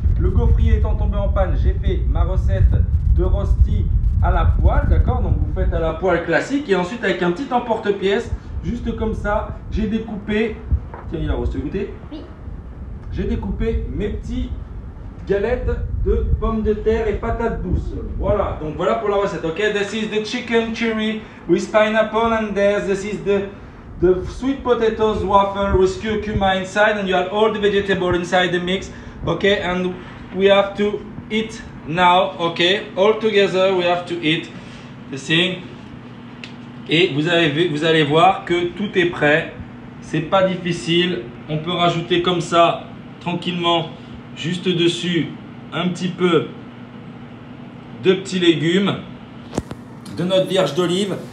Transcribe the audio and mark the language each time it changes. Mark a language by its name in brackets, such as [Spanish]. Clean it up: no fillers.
[French] Le gaufrier étant tombé en panne, j'ai fait ma recette de rosti à la poêle. D'accord? Donc vous faites à la poêle classique. Et ensuite, avec un petit emporte-pièce, juste comme ça, j'ai découpé. Tiens, il a rosti, goûté? Oui. J'ai découpé mes petits galettes de pommes de terre et patates douces. Voilà, donc voilà pour la recette. [English] Ok, this is the chicken curry with pineapple and this is the sweet potatoes waffle with curcuma inside and you have all the vegetables inside the mix. Ok, and we have to eat now. Ok, all together we have to eat the thing. [French] Et vous avez vu, vous allez voir que tout est prêt. C'est pas difficile. On peut rajouter comme ça tranquillement juste dessus un petit peu de petits légumes, de notre vierge d'olive.